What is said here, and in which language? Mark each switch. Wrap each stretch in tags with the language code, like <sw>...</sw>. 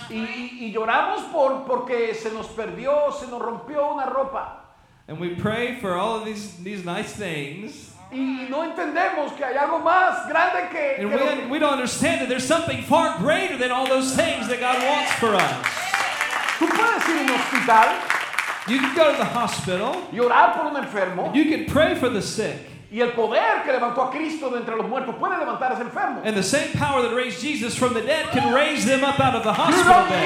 <es>Y lloramos porque se nos perdió, se nos rompió una ropa.</es> <en>And we pray for all of these nice things.</en> <es>Y no entendemos que hay algo más grande que</es> <en>And we don't understand that there's something far greater than all those things that God wants for us.</en> <es>Tú puedes ir a un hospital.</es> <en>You can go to the hospital.</en> <es>Y orar por un enfermo.</es> <en>You can pray for the sick.</en> <es>Y el poder que levantó a Cristo de entre los muertos puede levantar a ese enfermo.</es> <en>And the same power that raised Jesus from the dead can raise them up out of the hospital.</en>